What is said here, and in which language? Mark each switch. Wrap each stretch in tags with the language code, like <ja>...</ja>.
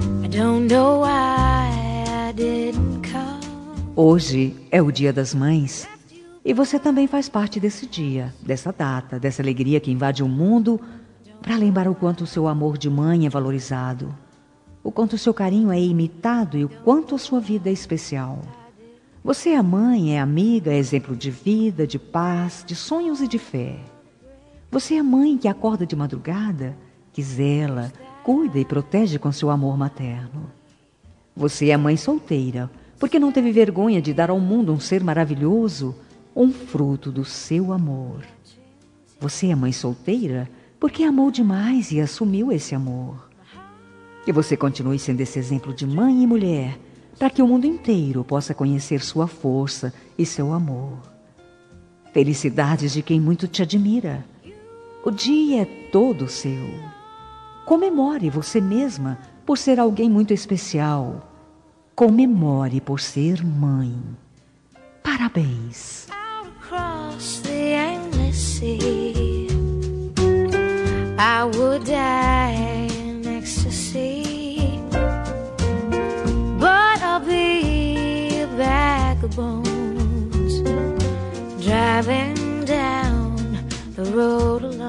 <en>Don't know why I didn't come.</en> <pt>Hoje é o Dia das Mães. E você também faz parte desse dia, dessa data, dessa alegria que invade o mundo para lembrar o quanto o seu amor de mãe é valorizado, o quanto o seu carinho é imitado e o quanto a sua vida é especial. Você é mãe, é amiga, é exemplo de vida, de paz, de sonhos e de fé. Você é mãe que acorda de madrugada, que zela, cuida e protege com seu amor materno. Você é mãe solteira, porque não teve vergonha de dar ao mundo um ser maravilhoso, um fruto do seu amor. Você é mãe solteira porque amou demais e assumiu esse amor. Que você continue sendo esse exemplo de mãe e mulher, para que o mundo inteiro possa conhecer sua força e seu amor. Felicidades de quem muito te admira. O dia é todo seu. Comemore você mesma por ser alguém muito especial. Comemore por ser mãe. Parabéns.</pt> <en>Across the endless sea, I would die in ecstasy, but I'll be back bones driving down the road.</en>